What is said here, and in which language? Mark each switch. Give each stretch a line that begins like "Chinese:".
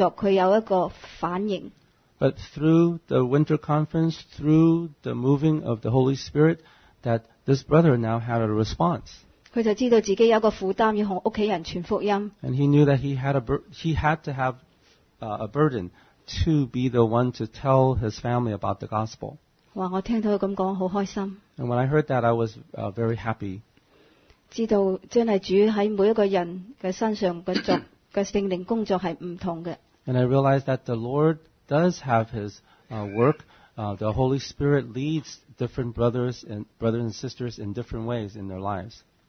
English: But through the winter conference, through the moving of the Holy Spirit, that this brother now had a response.
Chinese: 他就知道自己有一个负担要向家人传福音。
English: And he knew that he had to have a burden to be the one to tell his family about the gospel.
Chinese: 哇，我听到他这么说很开心。
English: And when I heard that, I was very happy.
Chinese: 知道真是主在每一个人的身上的圣灵工作是不同的。
English: And I realized that the Lord does have his work. The Holy Spirit leads different brothers and sisters in different ways in their lives.